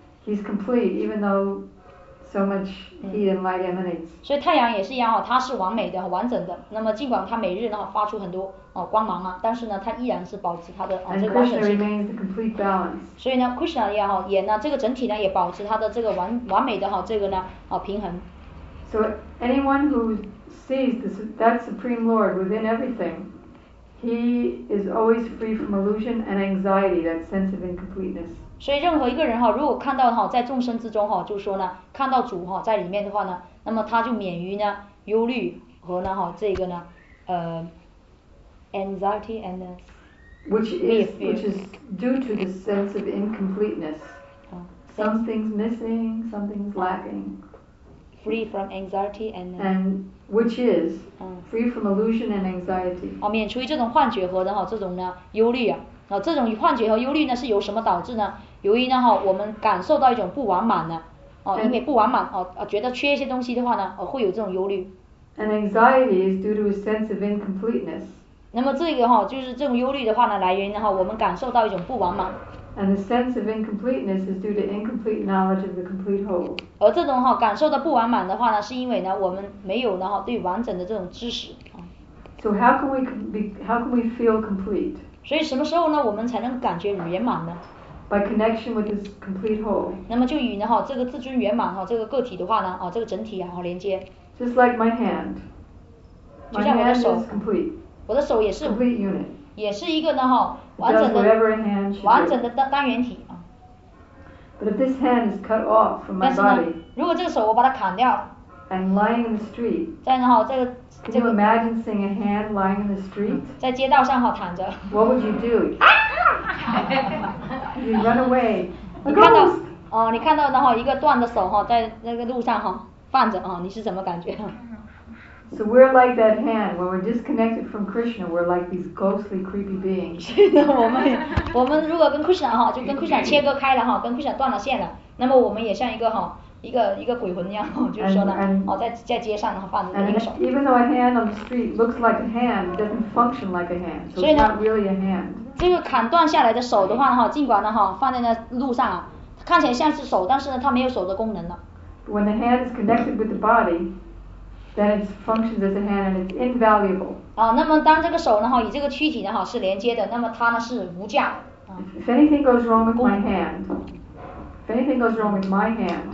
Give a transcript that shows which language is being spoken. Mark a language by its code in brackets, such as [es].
[en] He's complete even though so much heat and light emanates. [zh] 所以太阳也是一样，它是完美的完整的，那么尽管它每日呢发出很多光芒啊，但是呢它依然是保持它的这个完整性。 [en] And Krishna remains the complete balance. [zh] 所以呢 Krishna 也好，也呢这个整体呢也保持它的这个完美的这个呢平衡。 [en] So anyone who sees that Supreme Lord within everything, he is always free from illusion and anxiety, that sense of incompleteness. [zh] 所以任何一个人如果看到在众生之中，就是说呢看到主在里面的话呢，那么他就免于呢忧虑和呢这个呢 [en] anxiety and which is due to the sense of incompleteness. Something's missing, something's lacking. Free from anxiety and Which is free from illusion and anxiety. [zh] 免除于这种幻觉和的这种呢忧虑啊。这种幻觉和忧虑呢是由什么导致呢？由于呢我们感受到一种不完满呢。 [en] And, [zh] 因为不完满觉得缺一些东西的话呢会有这种忧虑。 [en] And anxiety is due to a sense of incompleteness. [zh] 那么这个就是这种忧虑的话呢来源于我们感受到一种不完满。 [en] And the sense of incompleteness is due to incomplete knowledge of the complete whole. [zh] 而这种感受到不完满的话呢，是因为呢我们没有呢对完整的这种知识。 [en] So how can we feel complete? [zh] 所以什么时候呢我们才能感觉圆满呢？ [en] By connection with this complete whole. [zh] 那么就与呢这个自尊圆满这个个体的话呢这个整体连接。 [en] Just like my hand. My hand is complete. [zh] 我的手也是。 [en] Complete unit. [zh] 也是一个呢完整的单元体啊。 [en] But if this hand is cut off from my body, [zh] 如果这个手我把它砍掉 [en] ，and lying in the street, [zh] 在呢这个 [en] ，Can you imagine seeing a hand lying in the street? [zh] 在街道上躺着。 [en] What would you do? You run away. [zh] 你看到你看到然后一个断的手在那个路上放着你是什么感觉？ [en] So we're like that hand. When we're disconnected from Krishna, we're like these ghostly, creepy beings. [zh] 我们如果跟 Krishna 就跟 Krishna 切割开了跟 Krishna 断了线了，那么我们也像一个鬼魂一样，就是说呢，在街上放着一个手。 [en] Even though a hand on the street looks like a hand, it doesn't function like a hand. So it's not really a hand. [zh] 这个砍断下来的手的话尽管呢放在那路上看起来像是手，但是呢它没有手的功能了。 [en] When the hand is connected with the body. Then it functions as a hand and it's invaluable. [zh] 那么当这个手呢与这个躯体呢是连接的，那么它呢是无价的。 [en] If anything goes wrong with my hand, if anything goes wrong with my hand,